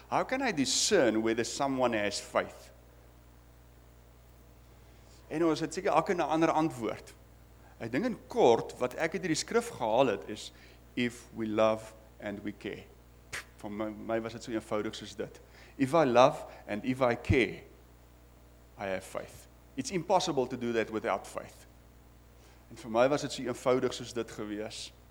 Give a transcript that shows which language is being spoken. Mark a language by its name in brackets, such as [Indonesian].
[English] How can I discern whether someone has faith? [Afrikaans] En ons het seker elke 'n ander antwoord. Ek dink in kort, wat ek uit hierdie skrif gehaal het, is [English] if we love and we care. [Afrikaans] Vir my was dit so eenvoudig soos dit. [English] If I love and if I care, I have faith. It's impossible to do that without faith. [Afrikaans] En vir my was dit so eenvoudig soos dit gewees.